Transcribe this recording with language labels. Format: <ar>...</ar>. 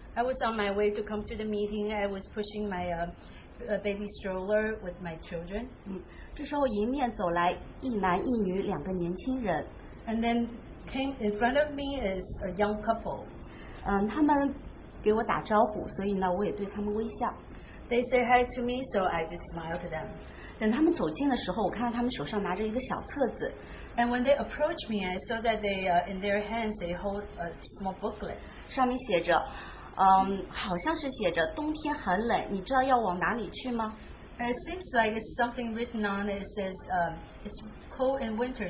<en>I was on my way to come to the meeting. I was pushing my baby stroller with my children.</en> <zh>这时候迎面走来一男一女两个年轻人。</zh> <en>And then came in front of me is a young couple.</en> <zh>他们给我打招呼，所以呢，我也对他们微笑。</zh> <en>They say hi to me, so I just smile to them.</en> <zh>等他们走近的时候，我看到他们手上拿着一个小册子。</zh> <en>And when they approach me, I saw that they in their hands they hold a small booklet.</en> <zh>上面写着，好像是写着冬天很冷，你知道要往哪里去吗？</zh> <en>It seems like it's something written on it. It says it's cold in winter.</en>